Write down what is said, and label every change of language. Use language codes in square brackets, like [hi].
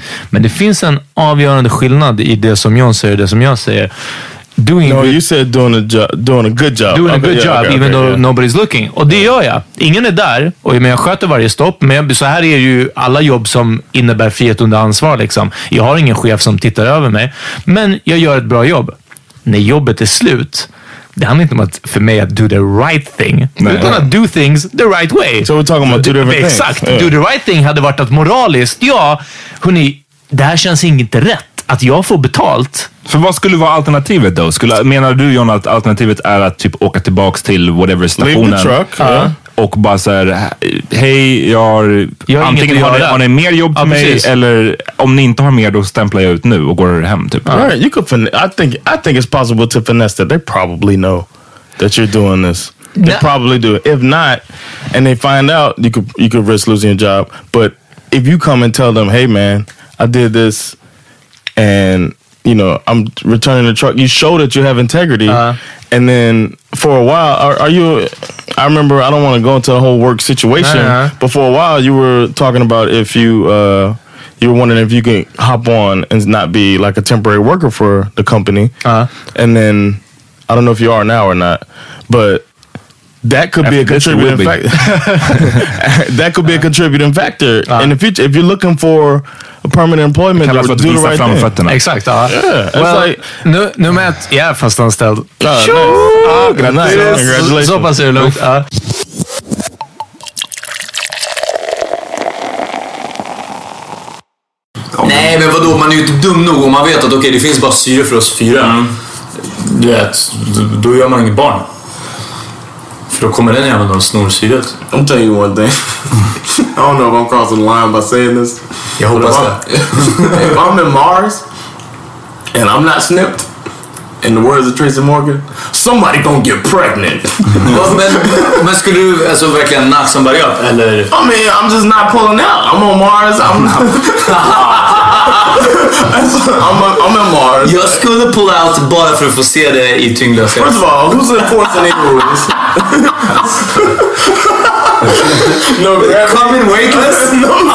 [sv] Men det finns en avgörande skillnad i det som John säger och det som jag säger. [en] You said doing a good job. Nobody's looking. [sv] Och det gör jag. Ingen är där. Och jag sköter varje stopp. Men så här är ju alla jobb som innebär frihet under ansvar. Liksom. Jag har ingen chef som tittar över mig. Men jag gör ett bra jobb. När jobbet är slut, det handlar inte om att för mig att [en] do the right thing. [sv] Utan att [en] do things the right way. So we're talking about do different things. [sv] Exakt. [en] Yeah. Do the right thing [sv] hade varit att moraliskt, ja, hörni, det här känns inte rätt. Att jag får betalt. För vad skulle vara alternativet då? Menar du, John, att alternativet är att typ åka tillbaks till whatever stationen? [en] Leave the truck. [sv] Och bara så här, hej, jag har antingen inget att göra. Har ni mer jobb till mig? Precis. Eller om ni inte har mer, då stämplar jag ut nu och går hem typ. [en] Right, you could I think it's possible to finesse that. They probably know that you're doing this. They probably do. If not, and they find out, you could risk losing your job. But if you come and tell them, hey man, I did this, and you know I'm returning the truck, you show that you have integrity. And then for a while, I don't want to go into the whole work situation, but for a while you were talking about if you you were wondering if you could hop on and not be like a temporary worker for the company. And then I don't know if you are now or not, but that could be a contributing factor. That could be a contributing factor in the future. If you're looking for a permanent employment, you do the right thing. Exactly. Yeah. Well, [sv] nu med att jag är fast anställd. [en] Congratulations. [sv] Så pass är det lugnt. Nej, men vadå? Man är ju inte dum nog om man vet att okej, det finns bara syre för oss fyra. Du vet, då gör man inget barn. För då kommer den jäveln att snor syret. [en] I'm telling you one thing. I don't know if I'm crossing the line by saying this. [sv] Jag hoppas det. [en] If I'm in Mars and I'm not snipped, in the words of Tracy Morgan, somebody gonna get pregnant. [sv] Men skulle du alltså verkligen [en] knock somebody up? [sv] Eller? [en] I mean, I'm just not pulling out. I'm on Mars. I'm not... I'm in Mars. [sv] Jag skulle [en] pull out [sv] bara för att få se det i tyngdlöshet. [en] First of all, who's important in movies? No, coming weightless? No.